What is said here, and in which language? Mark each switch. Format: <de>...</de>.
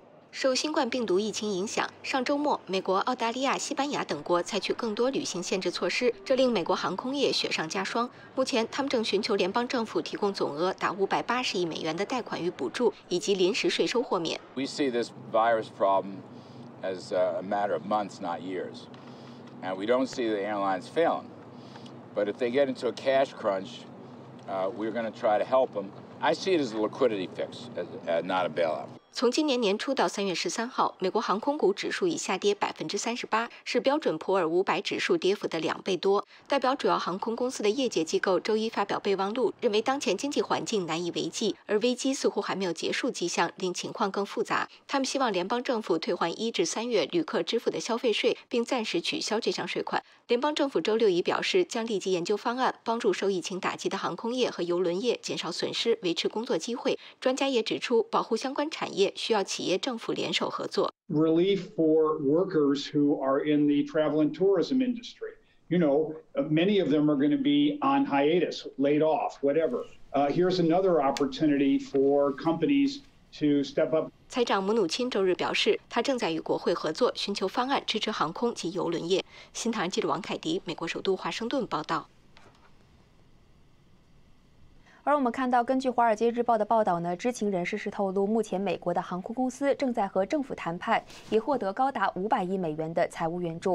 <zh>受新冠病毒疫情影响，上周末美国、澳大利亚、西班牙等国采取更多旅行限制措施，这令美国航空业雪上加霜。目前他们正寻求联邦政府提供总额达580亿美元的贷款与补助，以及临时税收豁免。</zh> <en>We see this virus problem as a matter of months, not years. And we don't see the airlines failing. But if they get into a cash crunch, we're going to try to help them. I see it as a liquidity fix, not a bailout.</en> <zh>从今年年初到3月13号，美国航空股指数已下跌38%，是标准普尔500指数跌幅的2倍多。代表主要航空公司的业界机构周一发表备忘录，认为当前经济环境难以为继，而危机似乎还没有结束迹象，令情况更复杂。他们希望联邦政府退还1至3月旅客支付的消费税，并暂时取消这项税款。联邦政府周六已表示，将立即研究方案，帮助受疫情打击的航空业和邮轮业减少损失，维持工作机会。专家也指出，保护相关产业需要企业政府联手合作。</zh> <en>Relief for workers who are in the travel and tourism industry. You know, many of them are going to be on hiatus, laid off, whatever. Here's another opportunity for companies to step up.</en> <zh>财长姆努钦周日表示，他正在与国会合作，寻求方案支持航空及邮轮业。新唐人记者王凯迪，美国首都华盛顿报道。而我们看到，根据《华尔街日报》的报道呢，知情人士是透露，目前美国的航空公司正在和政府谈判，以获得高达500亿美元的财务援助。</zh>